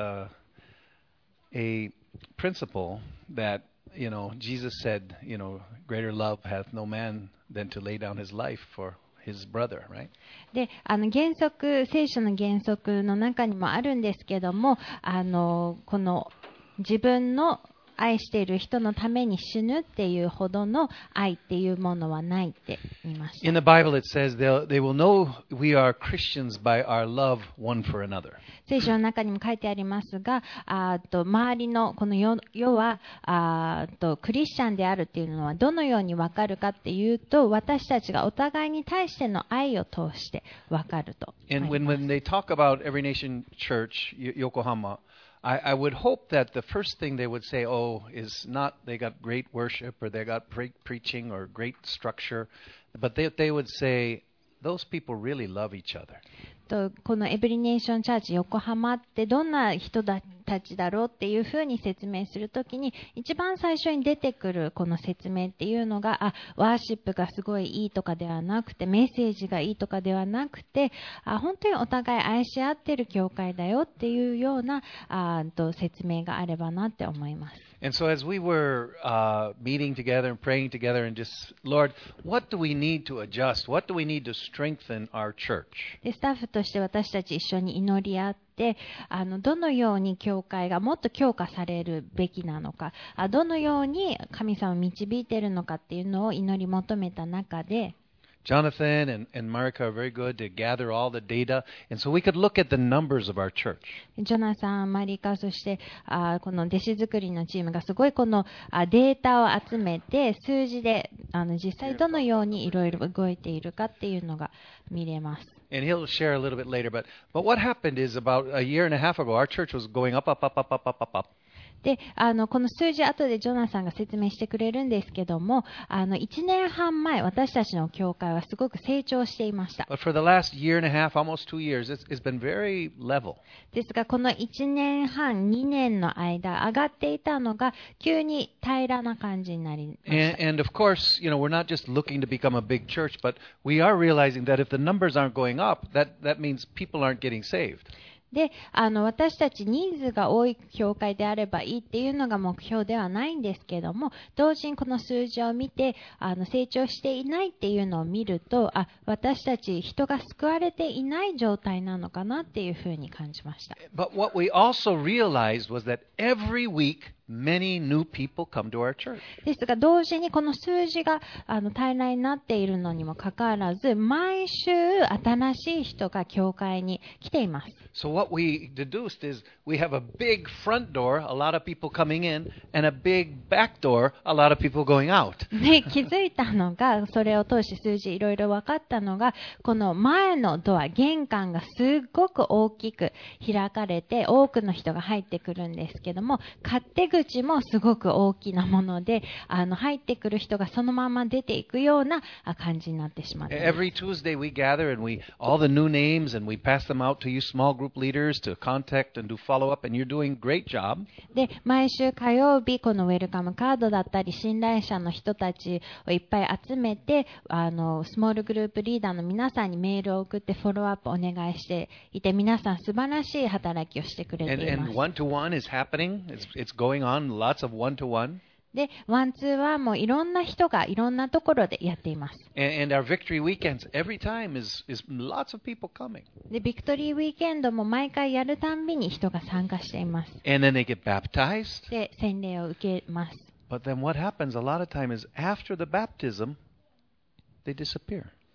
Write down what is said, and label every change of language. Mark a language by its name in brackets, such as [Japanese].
[English] And there is a principle that, you know, Jesus said, you know, greater love hath no man than to lay down his life for. His brother, right? [Japanese] で、原則、聖書の原則の中にもあるんですけども、この自分の愛している人のために死ぬっていうほどの愛っていうものはないって言いました。 [English] In the Bible, it says they will know we are Christians by our love one for another. [Japanese] 聖書の中にも書いてありますが、周りのこの世はクリスチャンであるっていうのはどのようにわかるかっていうと、私たちがお互いに対しての愛を通してわかると。 [English] And when they talk about Every Nation Church, Yokohama. I would hope that the first thing they would say, oh, is not they got great worship or they got preaching or great structure, but they would say those people really love each other. [Japanese] このエブリネーションチャーチ横浜ってどんな人たちだろうっていうふうに説明するときに一番最初に出てくるこの説明っていうのがワーシップがすごいいいとかではなくてメッセージがいいとかではなくて本当にお互い愛し合ってる教会だよっていうような説明があればなって思います。 [English] And so as we were meeting together and praying together and just, Lord, what do we need to adjust? What do we need to strengthen our church? [Japanese] でスタッフとして私たち一緒に祈り合ってどのように教会がもっと強化されるべきなのかどのように神様を導いているのかっていうのを祈り求めた中で [English] Jonathan and Marika are very good to gather all the data and so we could look at the numbers of our church. [Japanese] ジョナサン、マリカ、そしてこの弟子作りのチームがすごいこのデータを集めて数字で実際どのようにいろいろ動いているかっていうのが見れます。 [English] And he'll share a little bit later, but what happened is about a year and a half ago, our church was going up, up, up, up, up, up, up, up. [Japanese] でこの数字後でジョナサンが説明してくれるんですけども1年半前私たちの教会はすごく成長していました [English] half, years, [Japanese] ですがこの1年半2年の間上がっていたのが急に平らな感じになりました [English] and of course you know we're not just looking to become a big church but we are realizing that if the numbers aren't going up that means people aren't getting saved [Japanese] で私たち人数が多い教会であればいいっていうのが目標ではないんですけども同時にこの数字を見て成長していないっていうのを見ると私たち人が救われていない状態なのかなっていうふうに感じました。 [English] But what we also realized was that every weekMany new people come to our church. [Japanese] ですが同時にこの数字が平らになっているのにもかかわらず毎週新しい人が教会に来ています。 [English] So what we deduced is we have a big front door, a lot of people coming in, and a big back door, a lot of people going out. [Japanese] で気づいたのがそれを通して数字いろいろ分かったのがこの前のドア玄関がすごく大きく開かれて多くの人が入ってくるんですけども勝手数値もすごく大きなもので、入ってくる人がそのまま出ていくような感じになってしまっています。 [English] Every Tuesday we gather and we all the new names and we pass them out to you small group leaders to contact and do follow up and you're doing great job. [Japanese] で、毎週火曜日このウェルカムカードだったり信頼者の人たちをいっぱい集めて、スモールグループリーダーの皆さんにメールを送ってフォローアップお願いしていて、皆さん素晴らしい働きをしてくれています。 [English] And one to one is happening. It's going on. Lots of one to one. [Japanese] で、ワンツーはもういろんな人がいろんなところでやっています。 [English] And our victory weekends, every time is lots of people coming. [Japanese] で、ビクトリーウィーケンドも毎回やるたんびに人が参加しています。 [English] And then they get baptized. [Japanese] で、洗礼を受けます。 [English] But then what happens a lot of time is after the baptism, they disappear.